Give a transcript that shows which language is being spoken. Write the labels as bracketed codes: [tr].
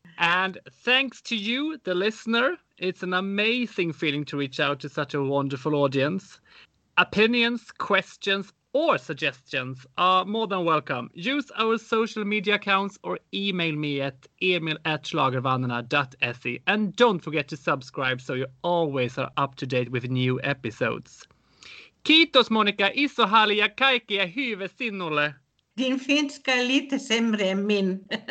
[en] And thanks to you, the listener. It's an amazing feeling to reach out to such a wonderful audience. Opinions, questions, or suggestions are more than welcome. Use our social media accounts or email me at emil@schlagervännerna.se. And don't forget to subscribe so you always are up to date with new episodes. [fi] Kiitos Monica, iso hali ja kaikkea hyvä sinulle. [sv] Din finska är lite sämre än min.